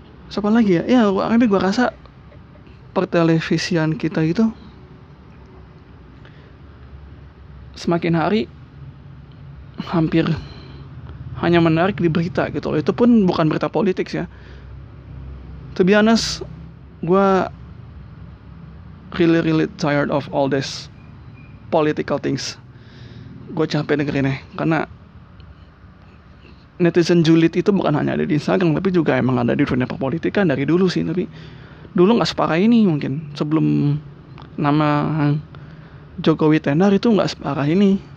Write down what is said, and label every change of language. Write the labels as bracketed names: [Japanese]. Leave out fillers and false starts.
[Indonesian] Siapa lagi ya? Ya, tapi gua rasa pertelevisian kita itu semakin hari hampir hanya menarik di berita gitu. Itu pun bukan berita politik ya. [English] To be honest, [Indonesian] gua [English] really really tired of all this political things. [Indonesian] Gue capek dengerinnya, karena netizen julid itu bukan hanya ada di Instagram, tapi juga emang ada di dunia perpolitikan dari dulu sih. Tapi dulu gak separah ini mungkin. Sebelum nama Jokowi tenar itu gak separah ini.